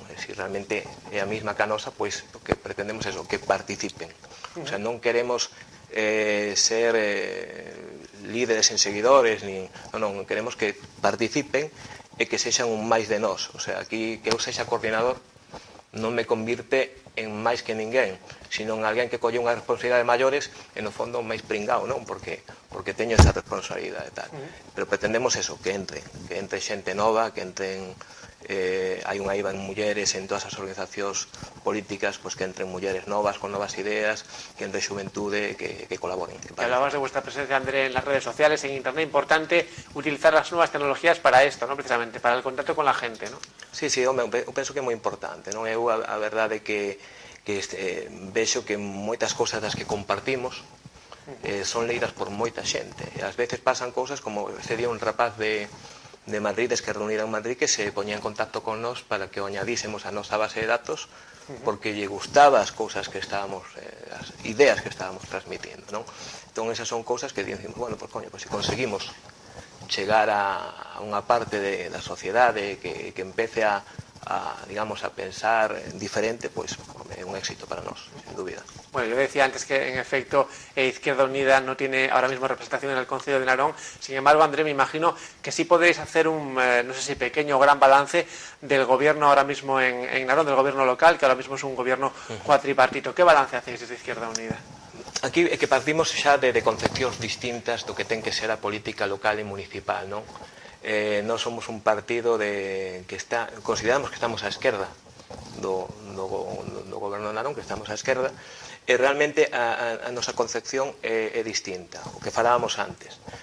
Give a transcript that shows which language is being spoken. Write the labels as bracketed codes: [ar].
[gl] É dicir, realmente, a mesma canosa, pois, o que pretendemos é que participen. O sea, non queremos ser líderes en seguidores, nin, non, queremos que participen e que sexan un máis de nós. O sea, aquí que eu sexa coordinador non me convirte en máis que ninguén, sino en alguén que colle unha responsabilidade de maiores e no fondo máis pringao, non? Porque teño esa responsabilidade e tal. Pero pretendemos eso, que entre xente nova, que entren hai unha IVA en mulleres en todas as organizacións políticas, pois que entren mulleres novas, con novas ideas, que entre xuventude, que colaboren. [es] Que hablabas de vuestra presencia, André, en las redes sociales, en internet, importante utilizar las nuevas tecnologías para esto, ¿no? Precisamente, para el contacto con la gente, ¿no? [gl] Sí, home, eu penso que é moi importante, ¿no? Eu a verdade que vexo que moitas cousas das que compartimos son leídas por moita xente. Ás veces pasan cousas como ese día un rapaz de Madrid, de Esquerra Unida en Madrid, que se ponía en contacto con nos para que o añadísemos a nosa base de datos porque lle gustaba as cousas que estábamos, as ideas que estábamos transmitindo, non? Entón, esas son cousas que dicimos, bueno, pues coño, pues, si conseguimos chegar a unha parte da sociedade que empece a digamos, a pensar diferente, pues, é un éxito para nos, sin dúbida. [es] Bueno, yo decía antes que, en efecto, Izquierda Unida no tiene ahora mismo representación en el Concello de Narón. Sin embargo, André, me imagino que sí podéis hacer un, no sé si pequeño o gran balance del gobierno ahora mismo en Narón, del gobierno local, que ahora mismo es un gobierno cuatripartito. ¿Qué balance hacéis desde Izquierda Unida? [gl] Aquí é que partimos xa de concepcións distintas do que ten que ser a política local e municipal, non? Non somos un partido consideramos que estamos á esquerda do goberno de Narón, que estamos á esquerda, e realmente a nosa concepción é distinta, o que falábamos antes.